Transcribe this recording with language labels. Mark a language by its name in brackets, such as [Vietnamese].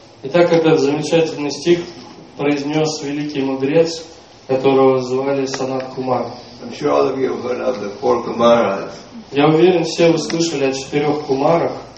[Russian] Итак, этот замечательный стих произнес великий мудрец, которого звали Санат Кумар. [English] I'm sure all of you have heard of the four Kumaras. [Russian] Я уверен, все вы слышали о четырех Кумарах.